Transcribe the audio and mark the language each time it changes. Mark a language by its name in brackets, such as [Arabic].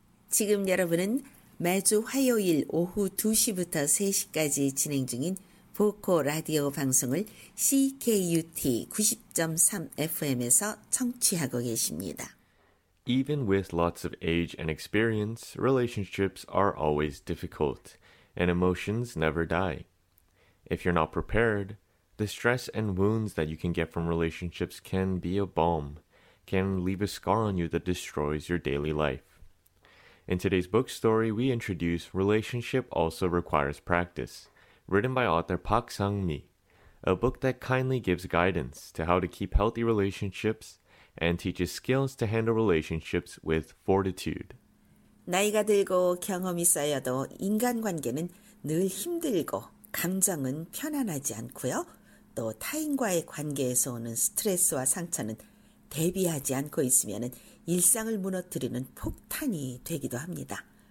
[Korean] 지금 여러분은 매주 화요일 오후 2시부터 3시까지 진행 중인 보코 라디오 방송을 CKUT 90.3 FM에서 청취하고 계십니다. [English] Even with lots of age and experience, relationships are always difficult, and emotions never die. If you're not prepared, the stress and wounds that you can get from relationships can be a bomb, can leave a scar on you that destroys your daily life. In today's book story, we introduce Relationship Also Requires Practice, written by author Park Sang-mi, a book that kindly gives guidance to how to keep healthy relationships and teaches skills to handle relationships with fortitude. [Korean] 나이가 들고 경험이 쌓여도 인간관계는 늘 힘들고 감정은 편안하지 않고요. 또 타인과의 관계에서 오는 스트레스와 상처는 대비하지 않고 있으면은 일상을 무너뜨리는 폭탄이 되기도 합니다.